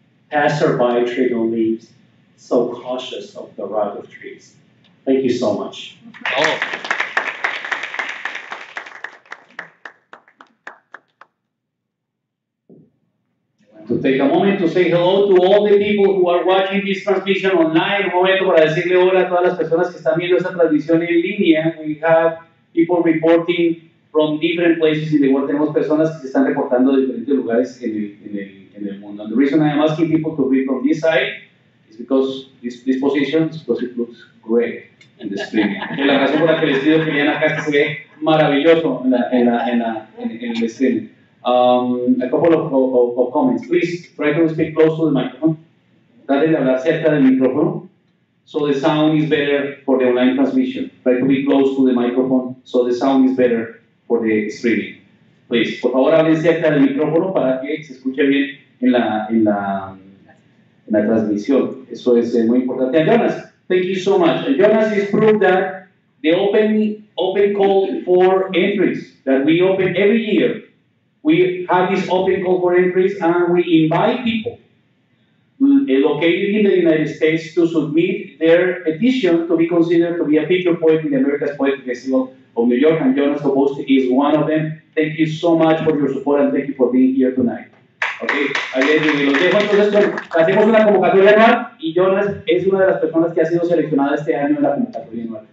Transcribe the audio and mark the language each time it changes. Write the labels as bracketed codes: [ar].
[en] Passerby tread on leaves, so cautious of the rot of trees. Thank you so much. Oh. I want to take a moment to say hello to all the people who are watching this transmission online. [es] Un momento para decirle hola a todas las personas que están viendo esta transmisión en línea. [en] We have people reporting from different places in the world. [es] Tenemos personas que se están reportando de diferentes lugares en el mundo. [en] And the reason I am asking people to be from this side is because this position is because it looks great. [es] En la razón por la que les digo que vienen acá se ve maravilloso en el stream. [en] A couple of comments. Please try to speak close to the microphone. [es] Traten de hablar cerca del micrófono. [en] So the sound is better for the online transmission. Try to be close to the microphone so the sound is better for the streaming. Please, [es] por favor, hablen cerca del micrófono para que se escuche bien en la transmisión. Eso es muy importante. Jonas, [en] thank you so much. And Jonas has proved that the open call for entries that we open every year, we have this open call for entries and we invite people located in the United States to submit their petition to be considered to be a feature poet in the America's Poet Festival of New York, and Jonas Elbousty is one of them. Thank you so much for your support and thank you for being here tonight. [es] Okay, ahí es, y los dejo entonces con, hacemos una convocatoria anual y Jonas es una de las personas que ha sido seleccionada este año en la convocatoria anual.